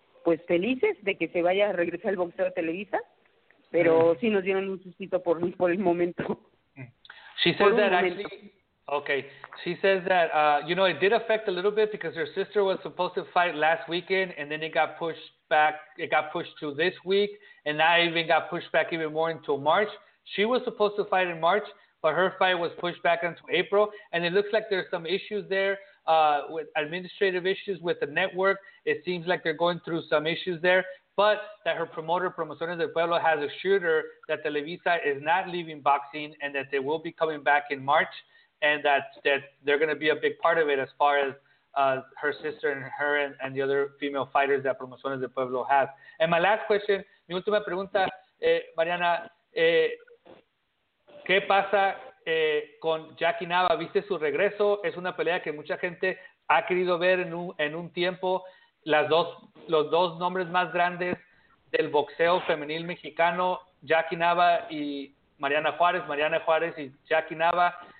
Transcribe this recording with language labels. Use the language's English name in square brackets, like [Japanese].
[Spanish] pues felices de que se vaya a regresar el boxeo a Televisa, pero sí nos dieron un sustito por el momento. [English] She says that actually, okay, she says that, you know, it did affect a little bit because her sister was supposed to fight last weekend and then it got pushed back, it got pushed to this week and now even got pushed back even more until March. She was supposed to fight in March, but her fight was pushed back until April and it looks like there's some issues there. With administrative issues with the network, it seems like they're going through some issues there, but that her promoter, Promociones del Pueblo, has assured her that Televisa is not leaving boxing and that they will be coming back in March and that they're going to be a big part of it as far as her sister and her and the other female fighters that Promociones del Pueblo has. And my last question, [Spanish] mi última pregunta, Mariana, ¿qué pasa con Jackie Nava? ¿Viste su regreso? Es una pelea que mucha gente ha querido ver en un tiempo. Los dos nombres más grandes del boxeo femenil mexicano, Jackie Nava y Mariana Juárez y Jackie Nava.